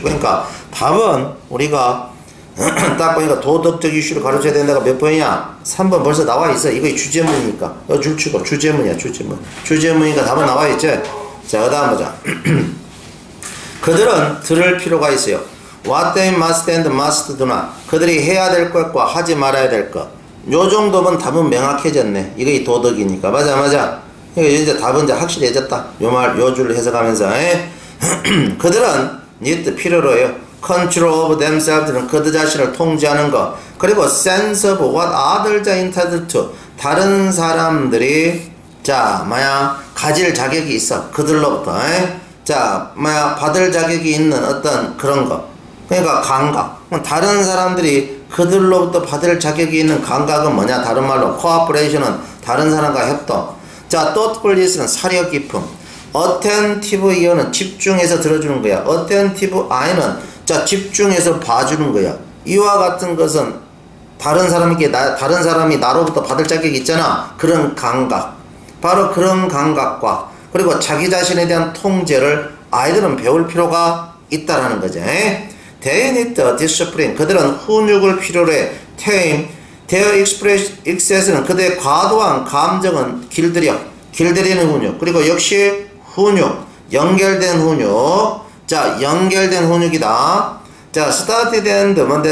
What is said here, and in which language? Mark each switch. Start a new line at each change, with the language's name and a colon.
Korean: 그러니까 답은 우리가 딱 보니까 도덕적 이슈를 가르쳐야 된다가 몇 번이냐? 3번 벌써 나와 있어. 이거 주제문이니까. 이거 줄 치고. 주제문이야, 주제문. 주제문이니까 답은 나와 있지? 자, 그 다음 보자. 그들은 들을 필요가 있어요.
English: What they must and must do not.
Korean: 그들이 해야 될 것과 하지 말아야 될 것. 요 정도면 답은 명확해졌네. 이거 이 도덕이니까. 맞아, 맞아. 이거 이제 답은 이제 확실해졌다. 요 말, 요 줄을 해석하면서. 그들은 need 필요로 해요.
English: Control of themselves
Korean: 는 그들 자신을 통제하는 것. 그리고
English: sense of what others are entitled to.
Korean: 다른 사람들이, 자, 뭐야, 가질 자격이 있어. 그들로부터. 자, 뭐야, 받을 자격이 있는 어떤 그런 것. 그러니까 감각. 다른 사람들이 그들로부터 받을 자격이 있는 감각은 뭐냐? 다른 말로, cooperation은 다른 사람과 협동. 자, thoughtfulness는 사려 깊음.
English: attentive ear
Korean: 는 집중해서 들어주는 거야.
English: attentive eye
Korean: 는 자, 집중해서 봐주는 거야. 이와 같은 것은 다른 사람이 나로부터 받을 자격이 있잖아. 그런 감각. 바로 그런 감각과, 그리고 자기 자신에 대한 통제를 아이들은 배울 필요가 있다라는 거지.
English: They need the discipline.
Korean: 그들은 훈육을 필요로 해.
English: Tame. Their excess
Korean: 는 그들의 과도한 감정은 길들이는 훈육. 그리고 역시 훈육. 연결된 훈육. 자, 연결된 훈육이다. 자,
English: started and
Korean: 뭔데?